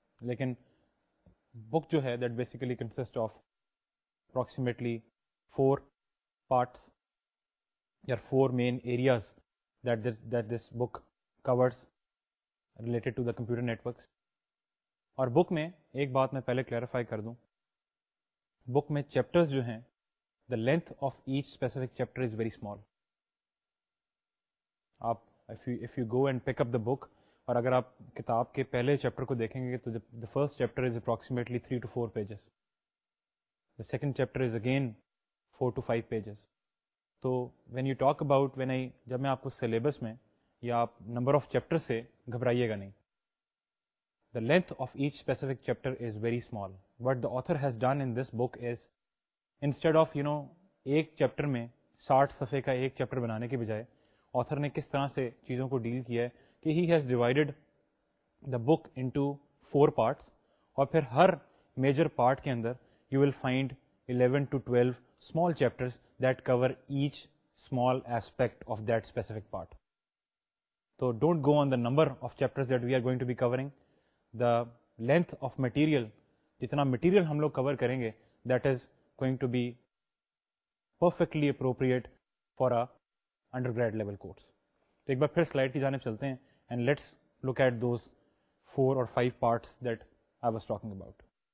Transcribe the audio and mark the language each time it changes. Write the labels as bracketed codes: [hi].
[ur] Lekin book jo hai [en] that basically consists of approximately four parts or four main areas that this book covers related to the computer networks. [ur] اور بک میں ایک بات میں پہلے clarify کر دوں, بک میں چیپٹرز جو ہیں [en] The length of each specific chapter is very small. آپ if you go and pick up the book, [ur] اور اگر آپ کتاب کے پہلے چیپٹر کو دیکھیں گے تو [en] the first chapter is approximately 3-4 pages. The second chapter is again 4-5 pages. [ur] تو [en] when you talk about [ur] جب میں آپ کو سلیبس میں یا آپ نمبر آف چیپٹر سے گھبرائیے گا نہیں, [en] The length of each specific chapter is very small. What the author has done in this book is instead of you know [ur] ایک چیپٹر میں 60 صفحے کا ایک چیپٹر بنانے کے بجائے, آتھر نے کس طرح سے چیزوں کو ڈیل کیا ہے کہ [en] he has divided the book into four parts, [ur] اور پھر ہر میجر پارٹ کے اندر [en] You will find 11-12 small chapters that cover each small aspect of that specific part. So don't go on the number of chapters that we are going to be covering. The length of material, [ur] jitna material hum log cover karenge, [en] that is going to be perfectly appropriate for a undergrad level course. [ur] To ek bar phir slide ki janib chalte hain [en] and let's look at those four or five parts that I was talking about.